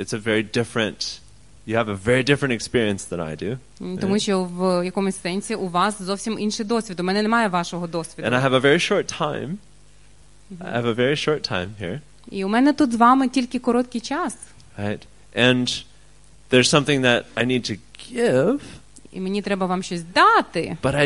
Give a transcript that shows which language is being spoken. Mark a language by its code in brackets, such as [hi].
[en] It's a very different. You have a very different experience than I do. [uk] Тому що в якомусь сенсі у вас зовсім інший досвід. У мене немає вашого досвіду. [en] And I have a very short time. Mm-hmm. I have a very short time here. [uk] І у мене тут з вами тільки короткий час. [en] Right. And there's something that I need to give. [uk] І мені треба вам щось дати.